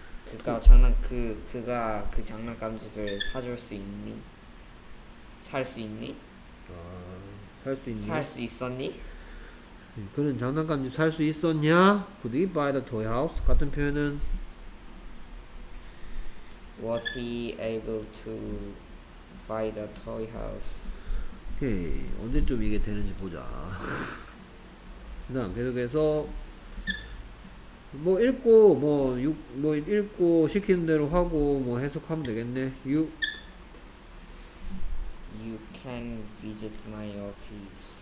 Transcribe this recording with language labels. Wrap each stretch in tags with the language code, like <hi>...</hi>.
<ko>그가 장난 그가 그 장난감 집을 사줄 수 있니? 살 수 있니? 아, 살 수 있니? 살 수 있었니? 그는 장난감 집 살 수 있었냐?</ko> <en>Could he buy the toy house?</en> <ko>같은 표현은</ko> <en>Was he able to buy the toy house?</en> <ko>오케이, 언제쯤 이게 되는지 보자. 그 다음 계속해서 뭐 읽고 뭐 육 뭐 읽고 시키는 대로 하고 뭐 해석하면 되겠네.</ko> <en>You can visit my office.</en>